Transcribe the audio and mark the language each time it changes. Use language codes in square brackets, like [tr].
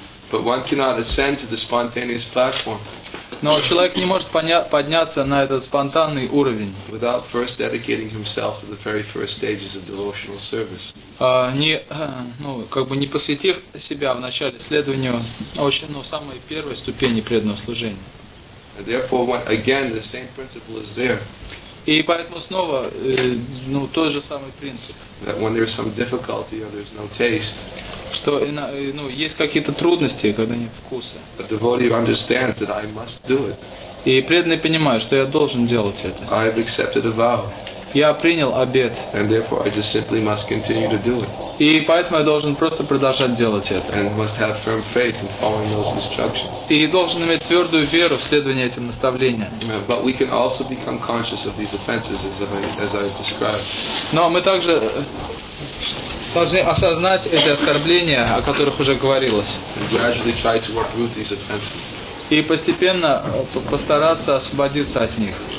[en] But one cannot ascend to the spontaneous platform. [ru] Но человек не может подняться на этот спонтанный уровень. [en] Without first dedicating himself to the very first stages of devotional service. [ru] Не посвятив себя в начале следованию самой первой ступени преданного служения. [en] And therefore, again, the same principle is there. [ru] И поэтому снова, тот же самый принцип. [en] That when there's some difficulty or there's no taste. [ru] Что, есть какие-то трудности, когда нет вкуса. [en] A devotee understands that I must do it. [ru] И преданный понимает, что я должен делать это. [en] I've accepted a vow. [ru] Я принял обет. [en] And therefore I just simply must continue to do it. [ru] И поэтому я должен просто продолжать делать это. [en] And must have firm faith in following those instructions. [ru] И должен иметь твердую веру в следовании этим наставлениям. [en] But we can also become conscious of these offenses as I described. [ru] Но мы также должны осознать эти оскорбления, о которых уже говорилось. [en] And gradually try to uproot these offenses. [ru] И постепенно постараться освободиться от них.